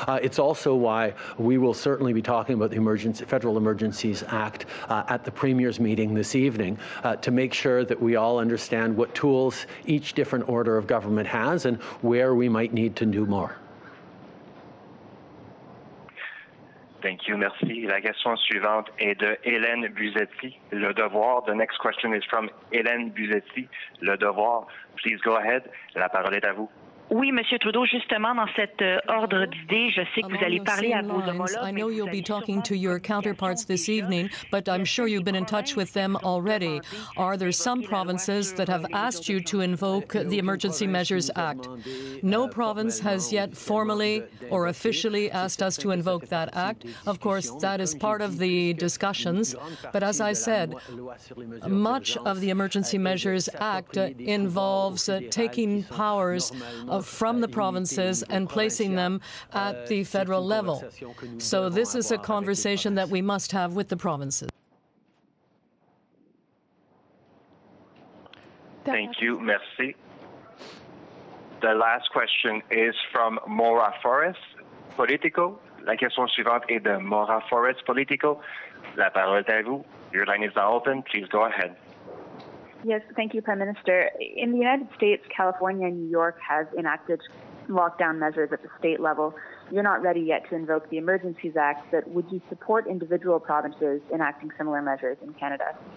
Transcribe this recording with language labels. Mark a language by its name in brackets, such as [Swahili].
[English] It's also why we will certainly be talking about the Federal Emergencies Act at the Premier's meeting this evening to make sure that we all understand what tools each different order of government has and where we might need to do more. Thank you, [French] merci. La question suivante est de Hélène Buzetti, Le Devoir. [English] The next question is from Hélène Buzetti, Le Devoir. Please go ahead, [French] la parole est à vous. Oui, Monsieur Trudeau, justement, dans cet ordre d'idées, je sais que vous allez parler à vos homologues. [English] I know you'll be talking to your counterparts this evening, but I'm sure you've been in touch with them already. Are there some provinces that have asked you to invoke the Emergency Measures Act? No province has yet formally or officially asked us to invoke that act. Of course, that is part of the discussions. But as I said, much of the Emergency Measures Act involves taking powers from the provinces and placing them at the federal level. So this is a conversation that we must have with the provinces. Thank you. [French] Merci. [English] The last question is from Maura Forrest, Politico. [French] La question suivante est de Maura Forrest, Politico. La parole est à vous. [English] Your line is now open. Please go ahead. Yes, thank you, Prime Minister. In the United States, California and New York have enacted lockdown measures at the state level, you're not ready yet to invoke the Emergencies Act, but would you support individual provinces enacting similar measures in Canada?